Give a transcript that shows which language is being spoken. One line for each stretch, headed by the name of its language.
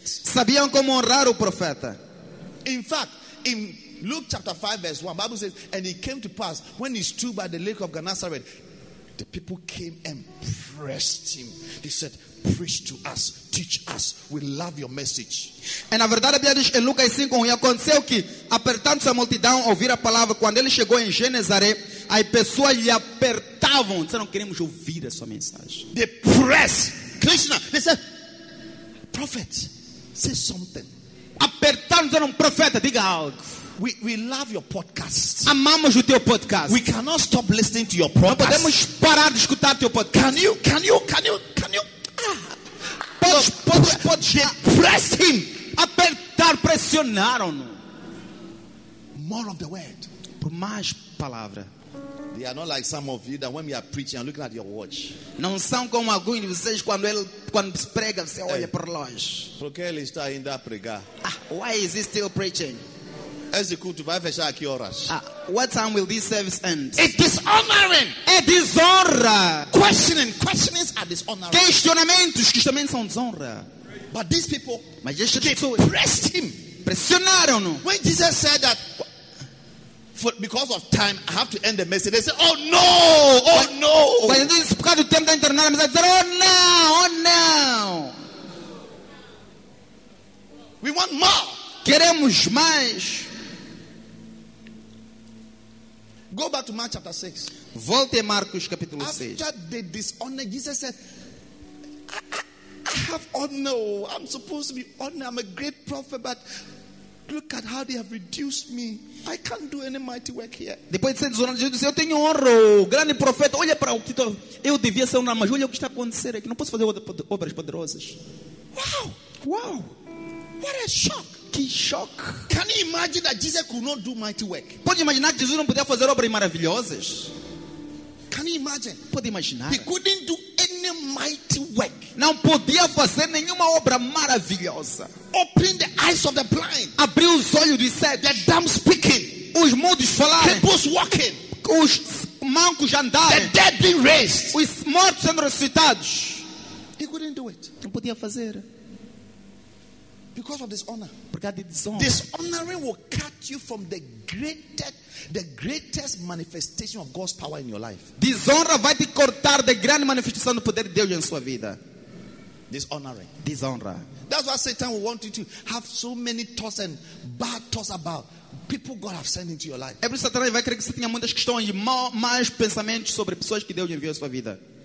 Portuguese: Sabiam como honrar o profeta.
English: In fact, in Luke chapter 5 verse 1, Bible says, and it came to pass when he stood by the lake of Gennesaret, the people came and pressed him. They said, preach to us, teach us, we love your message.
Portuguese: E na verdade a Bíblia diz em Lucas 5:1, aconteceu que apertando-se a multidão ouvir a palavra, quando ele chegou em Gennesaret, as pessoas lhe apertavam, disseram, queremos ouvir a sua mensagem.
English: They press Krishna, they said, prophet, say something.
Portuguese: Apertando, disseram, profeta, diga algo.
English: We love your podcast.
Portuguese: Amamos o teu podcast.
English: We cannot stop listening to your podcast.
Portuguese: Não podemos parar de escutar teu podcast.
English: Can you
Portuguese: Pode
English: press him.
Portuguese: Apertar, pressionaram-no.
English: More of the word.
Portuguese: Por mais palavra.
English: They are not like some of you that when we are preaching and looking at your watch.
Portuguese: Não são como alguns de vocês quando ele quando prega você olha para o longe. Por que ele está ainda a pregar?
English: Why is he still preaching? What time will this service end? It's dishonoring.
Portuguese: É desonra.
English: Questionings are dishonoring.
Portuguese: Questionamentos são desonra.
English: But these people,
Portuguese: mas estes pessoas,
English: pressed him.
Portuguese: Pressionaram-no.
English: When Jesus said that, for because of time, I have to end the message. They said, oh no, oh no.
Portuguese: Quando ele disse por causa do tempo da internet, eles disseram,
English: oh no, oh no. We want more.
Portuguese: Queremos mais.
English: Go back to Mark chapter 6.
Portuguese: Volte a Marcos capítulo 6.
English: After the dishonor, Jesus said, I have honor. I'm supposed to be honored. I'm a great prophet, but look at how they have reduced me. I can't do any mighty work here.
Portuguese: Depois de ser desonrado, Jesus disse, eu tenho honra, grande profeta. Olha para o que tô, eu devia ser honrado, mas olha o que está acontecendo aqui. Não posso fazer obras poderosas.
English: Wow, wow, what a shock!
Portuguese: Que shock!
English: Can you imagine that Jesus could not do mighty work?
Portuguese: Pode imaginar que Jesus não podia fazer obras maravilhosas?
English: Can you imagine?
Portuguese: Pode imaginar?
English: He couldn't do any mighty work.
Portuguese: Não podia fazer nenhuma obra maravilhosa.
English: Open the eyes of the blind.
Portuguese: Abriu os olhos do cego.
English: The dumb speaking.
Portuguese: Os mudos falarem.
English: Cripples walking.
Portuguese: Os mancos andarem.
English: The dead being raised.
Portuguese: Os mortos sendo ressuscitados.
English: He couldn't do it.
Portuguese: Não podia fazer.
English: Because of dishonor.
Portuguese: Por causa de desonra.
English: Dishonoring will cut you from the greatest manifestation of God's power in your life.
Portuguese: Desonra vai te cortar da grande manifestação do poder de Deus em sua vida.
English: Dishonoring.
Portuguese: Desonra.
English: That's why Satan will want you to have so many thoughts and bad thoughts about people God has sent into your life. Every Satan
Portuguese: vai querer que você tenha muitas questões e mais pensamentos sobre pessoas que Deus enviou em sua vida.